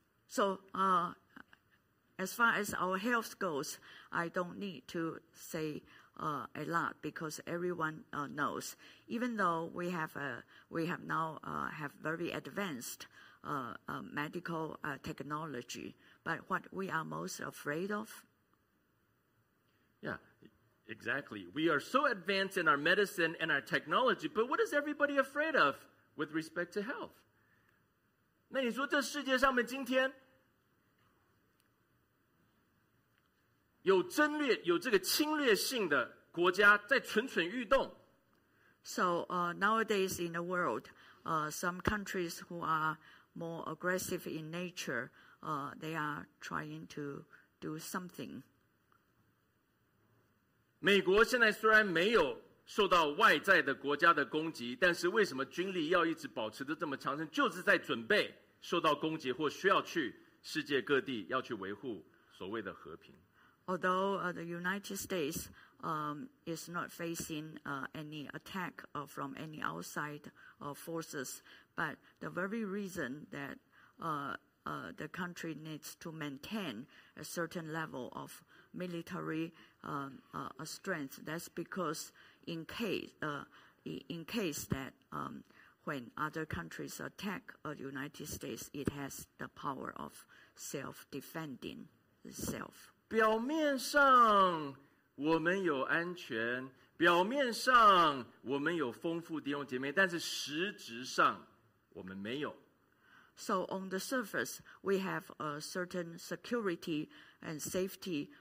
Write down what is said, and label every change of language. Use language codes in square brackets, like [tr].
[en] So, as far as our health goes, I don't need to say a lot because everyone knows. Even though we have now very advanced medical technology, but what we are most afraid of? Yeah, exactly. We are so advanced in our medicine and our technology, but what is everybody afraid of with respect to health? [zh] 那你说这世界上面今天有侵略，有这个侵略性的国家在蠢蠢欲动。 [en] So, nowadays in the world, some countries who are more aggressive in nature, they are trying to do something. [zh] 美国现在虽然没有受到外在的国家的攻击，但是为什么军力要一直保持得这么强盛？就是在准备受到攻击或需要去世界各地要去维护所谓的和平。 [en] Although the United States is not facing any attack from any outside forces, but the very reason that the country needs to maintain a certain level of military strength, that's because in case that when other countries attack the United States, it has the power of self-defending itself. [zh] 表面上我们有安全，表面上我们有丰富弟兄姐妹，但是实质上我们没有。 [en] So on the surface, we have a certain security and safety.